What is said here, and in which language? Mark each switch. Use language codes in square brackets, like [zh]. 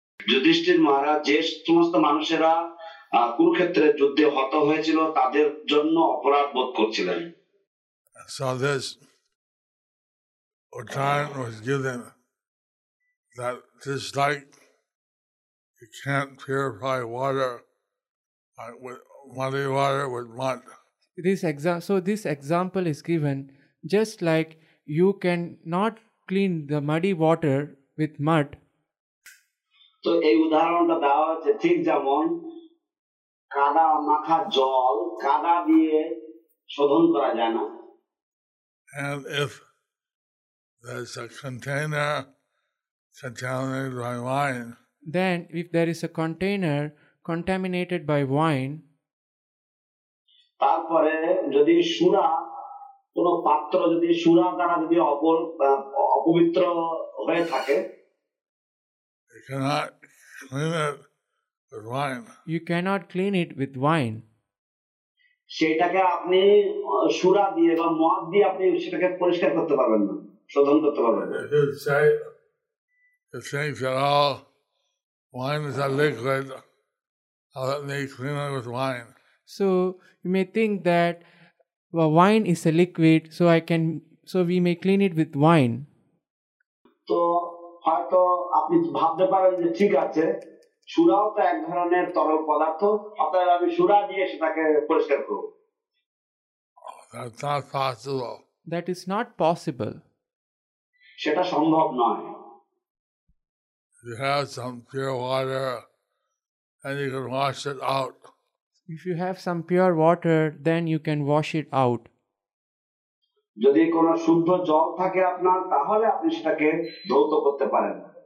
[bn] যুধিষ্ঠির মহারাজ যে সমস্ত মানুষেরা কুরুক্ষেত্রে যুদ্ধে হত হয়েছিল তাদের জন্য অপরাধ বোধ করছিলেন. [en] So this Uttarayan was given that just like you can't purify water with muddy water with mud. So this example is given just like you can not clean the muddy water with mud. [bn] তো এই উদাহরণটা দেওয়া হচ্ছে ঠিক যেমন কাদা মাখা জল কাদা দিয়ে শোধন করা যায় না. [en] And if there's a container contaminated by wine, then if there is a container contaminated by wine, [bn] তারপরে যদি সুরা কোন পাত্র যদি সুরা দ্বারা যদি অপবিত্র হয়ে থাকে, [en] you cannot clean it with wine. You cannot clean it with wine. [bn] সেটাকে আপনি সুরা দিয়ে বা মদ দিয়ে আপনি সেটাকে পরিষ্কার করতে পারবেন না, শোধন করতে পারবেন না. [en] It says that all wine is a liquid. How can they clean it with wine? So you may think that wine is a liquid, so we may clean it with wine. [bn] তো হয়তো আপনি ভাবতে পারেন যে ঠিক আছে, সুরাও তো এক ধরনের তরল পদার্থ, অতএব আমি সুরা দিয়ে সেটাকে পরিষ্কার করব. [en] That's not possible. That is not possible. [bn] সেটা সম্ভব নয়. [en] You have some pure water and you can wash it out. If you have some pure water, then you can wash it out. [bn] যদি কোন শুদ্ধ জল থাকে আপনার, তাহলে আপনি সেটাকে ধৌত করতে পারেন.